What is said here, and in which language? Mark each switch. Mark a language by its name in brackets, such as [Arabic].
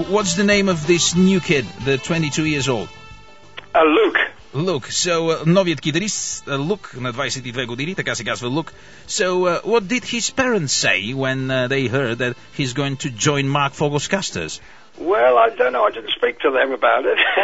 [English] What's the name of this new kid, the 22 years old? Luke. Luke. So [Bulgarian] новият китарист, Luke на 22 години, така се казва Luke. [English] So what did his parents say when they heard that he's going to join Mark Fogel's Casters? Well, I don't know. I didn't speak to them about it.